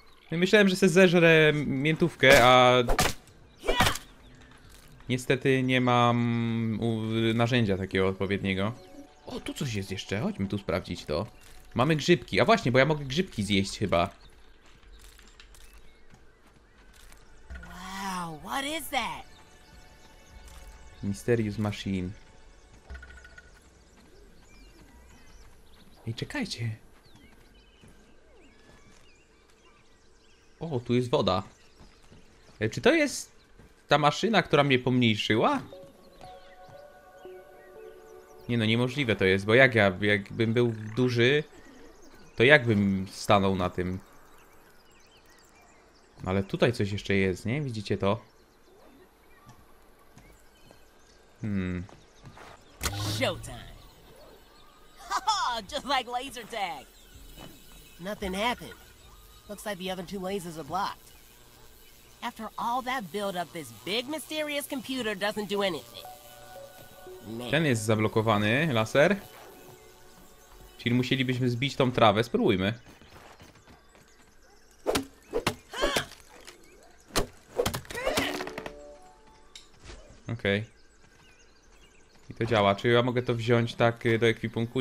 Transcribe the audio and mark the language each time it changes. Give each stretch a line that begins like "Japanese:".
Polish: Myślałem, że se zeżrę miętówkę, a... Niestety nie mam narzędzia takiego odpowiedniego. O, tu coś jest jeszcze. Chodźmy tu sprawdzić to. Mamy grzybki. A właśnie, bo ja mogę grzybki zjeść chyba.
English: Wow, what is that? Mysterious machine.
Polish: Ej, czekajcie. O, tu jest woda. Czy to jest ta maszyna, która mnie pomniejszyła? Nie no, niemożliwe to jest, bo jak ja, jakbym był duży, to jakbym stanął na tym? Ale tutaj coś jeszcze jest, nie? Widzicie to?
English: Showtime. Just like laser tag. Nothing happened. Looks like the other two lasers are blocked. After all that build up, this big mysterious computer doesn't do anything.
Polish: Ten jest zablokowany, laser. Czyli musielibyśmy zbić tą trawę, spróbujmy. Okej. I to działa, czy ja mogę to wziąć tak do ekwipunku?